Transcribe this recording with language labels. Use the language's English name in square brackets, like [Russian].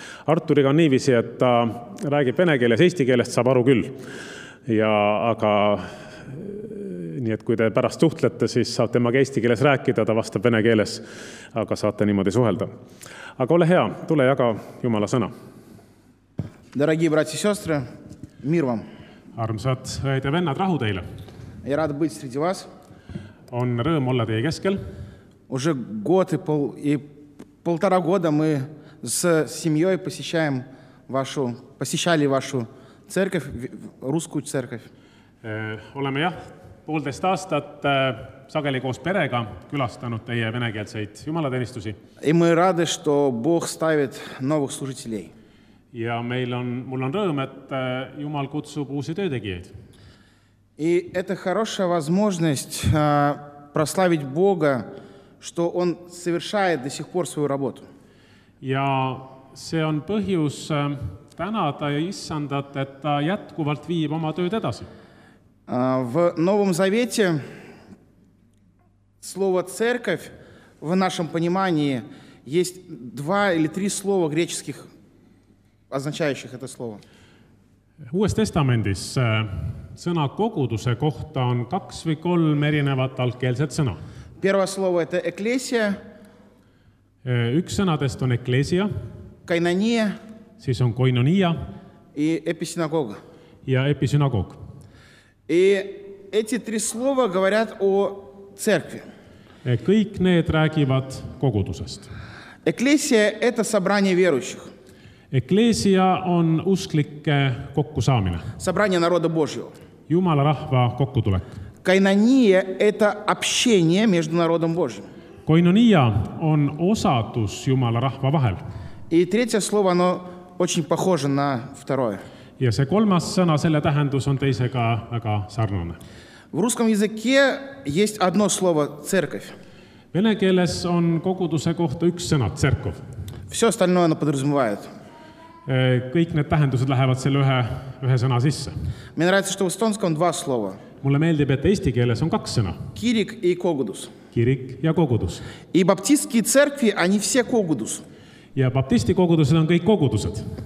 [Estonian] Arturiga on niivisi, et ta räägib vene keeles, eesti keelest saab aru küll. Ja aga nii et kui te pärast suhtlete, siis saab temaga eesti keeles rääkida, ta vastab vene keeles, aga saate niimoodi suhelda. Aga ole hea, tule jaga Jumala sõna. [Russian] Дорогие братья и сестры, мир вам. [Estonian] Armsad õed ja vennad, rahu teile. Ja rada [Russian] быть среди вас. [Estonian] On rõõm olla teie keskel. [Russian] Уже год и полтора года мы с семьей посещаем вашу, посещали вашу церковь, русскую церковь. [Estonian] Oleme jah, poolteist aastat sageli koos perega külastanud teie venekeelseid jumalateenistusi. [Russian] И мы рады, что Бог ставит новых служителей. [Estonian] Ja meil on, mul on rõõm, et Jumal kutsub uusi töötegijaid. [Russian] И это хорошая возможность прославить Бога, что он совершает до сих пор свою работу. [Estonian] Ja see on põhjus tänada ja issandat, et ta jätkuvalt viib oma tööd edasi. [Russian] В Новом Завете слово «церковь» в нашем понимании есть два или три слова греческих, означающих это слово. [Estonian] Uues Testamentis sõna «koguduse» kohta on kaks või kolm erinevat algkeelset sõna. [Russian] Первое слово – это «экклесия». [Estonian] Üks sõnadest on «экклесия». [Russian] «Кайнония». [Estonian] Siis on «койнония». [Russian] И «episinagoog». [Estonian] Ja «episinagoog». [Russian] И эти три слова говорят о церкви. [Estonian] Kõik need räägivad kogudusest. [Russian] Eklesia – это собрание верующих. [Estonian] Eklesia on usklike kokkusaamine. [Russian] Собрание народа Божьего. [Estonian] Jumala rahva kokkutulek. [Russian] Koinonia – это общение между народом Божьим. [Estonian] Koinonia on osadus Jumala rahva vahel. [Russian] И третье слово, оно очень похоже на второе. [Estonian] Ja see kolmas sõna, selle tähendus on teisega väga sarnane. [Russian] В русском языке есть одно слово «церковь». [Estonian] Vene keeles on koguduse kohta üks sõna «церков». [Russian] Все остальное оно подразумевает. [Estonian] Kõik need tähendused lähevad selle ühe sõna sisse. [Russian] Мне нравится, что в эстонском два слова. [Estonian] Mulle meeldib, et eesti keeles on kaks sõna. Kirik и kogudus. Kirik ja kogudus. [Russian] И баптистские церкви, они все kogudus. [Estonian] Ja baptisti kogudused on kõik kogudused.